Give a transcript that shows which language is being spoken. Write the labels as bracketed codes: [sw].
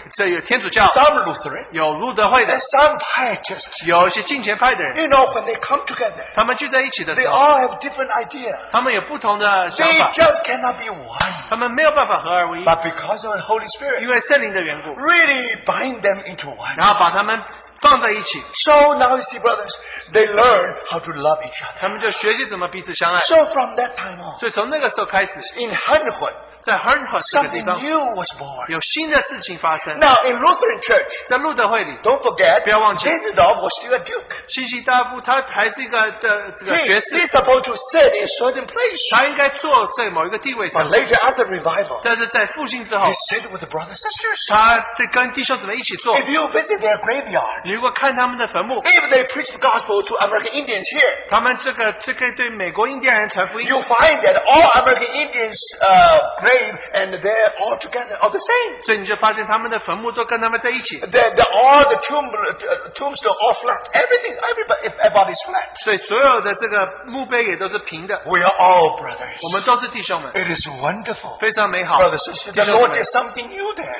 [zh] 这有天主教, [en] some Lutheran, [zh] 有路德会的, [en] and some Pietist, [zh] 有一些敬虔派的人, [en] you know, when they come together, [zh] 他们聚在一起的时候, [en] they all have different ideas, [zh] 他们有不同的想法, [en] they just cannot be one, [zh] 他们没有办法合而为一, [en] but because of the Holy Spirit, [zh] 因为圣灵的缘故, [en] really bind them into one. So now you see, brothers, they learn how to love each other. So from that time on, [zh] 所以从那个时候开始, [en] in Hernhut, [zh] 在Hernhut, [en] something new was born. [zh] 有新的事情发生, [en] now in Lutheran Church, [zh] 在路德会里, [en] don't forget, [zh] 不要忘记, [en] Zinzendorf was still a duke. [zh] 西西大夫, 他还是一个爵士, [en] he's supposed to sit in a certain place. [zh] 他应该坐在某一个地位上, [en] but later after revival, [zh] 但是在复兴之后, [en] he sit with the brothers and sisters. [zh] 他跟弟兄姊妹一起坐, [en] if you visit their graveyard, [zh] 你如果看他们的坟墓, [en] if they preach the gospel to American Indians here, [zh] 他们这个对美国印第安人传福音, [en] you find that all American Indians, and they're all together, all the same. [zh] 所以你就发现他们的坟墓都跟他们在一起. [en] All the tombstones all flat. Everybody's flat. [zh] 所以所有的这个墓碑也都是平的. [en] We are all brothers. [zh] 我们都是弟兄们. [en] It is wonderful. [zh] 非常美好. [en] Brothers, the Lord did something new there.